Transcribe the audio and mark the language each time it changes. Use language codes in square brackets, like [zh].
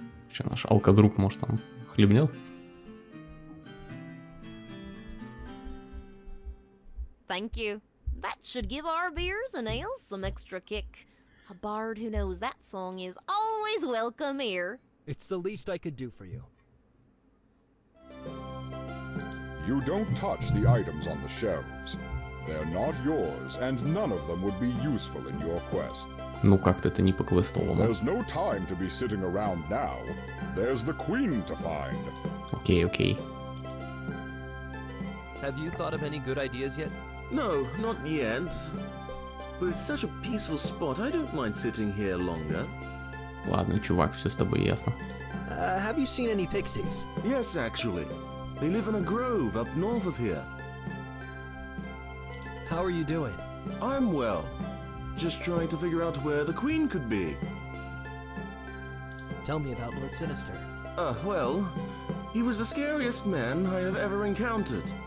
[ru] Что, наш алкодруг, может, там хлебнет? [en] Thank you. That should give our beers and ales some extra kick. A bard who knows that song is always welcome here. It's the least I could do for you. You don't touch the items on the shelves. They're not yours, and none of them would be useful in your quest. [ru] Ну как-то это не по-квестовому. [en] There's no time to be sitting around now. There's the queen to find. [ru] Окей, окей. [en] Have you thought of any good ideas yet? No, not yet. But it's such a peaceful spot, I don't mind sitting here longer. [ru] Ладно, чувак, все с тобой ясно. [en] Have you seen any pixies? Yes, actually. They live in a grove up north of here. How are you doing? I'm well. Just trying to figure out where the queen could be. Tell me about Lord Sinister. Well, he was the scariest man I have ever encountered.